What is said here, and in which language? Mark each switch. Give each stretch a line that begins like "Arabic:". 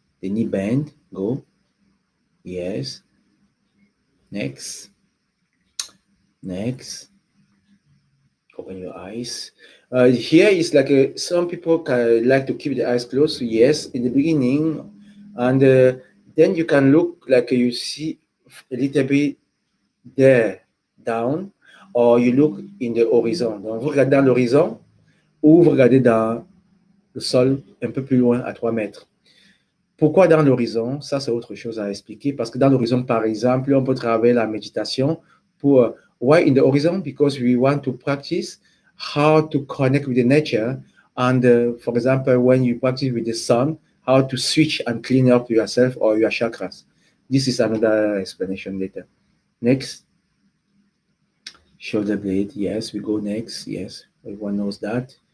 English: The knee bend, go, yes. Next, next. Open your eyes. Here is like a, some people can like to keep the eyes closed, yes, in the beginning. And then you can look like you see a little bit there, down. Or you look in the horizon.
French: Donc, vous regardez dans l'horizon ou vous regardez dans le sol un peu plus loin, à 3 mètres. Pourquoi dans l'horizon? Ça, c'est autre chose à expliquer. Parce que dans l'horizon, par exemple, on peut travailler la méditation pour...
English: Why in the horizon? Because we want to practice how to connect with the nature. And for example, when you practice with the sun, how to switch and clean up yourself or your chakras. This is another explanation later. Next. Shoulder blade, yes, we go next, yes. Everyone knows that.